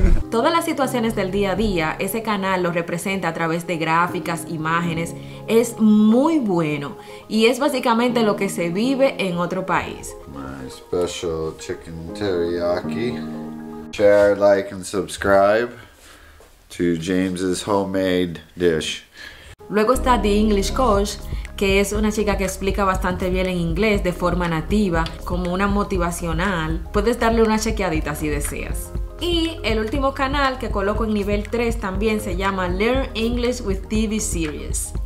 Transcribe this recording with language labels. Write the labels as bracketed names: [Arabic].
[Spanish] Todas las situaciones del día a día, ese canal lo representa a través de gráficas, imágenes. Es muy bueno y es básicamente lo que se vive en otro país. [English] My special chicken teriyaki. Share, like, and subscribe to James's homemade dish. [Spanish] Luego está The English Coach, que es una chica que explica bastante bien en inglés de forma nativa, como una motivacional. Puedes darle una chequeadita si deseas. Y el último canal que coloco en nivel 3 también se llama Learn English with TV Series.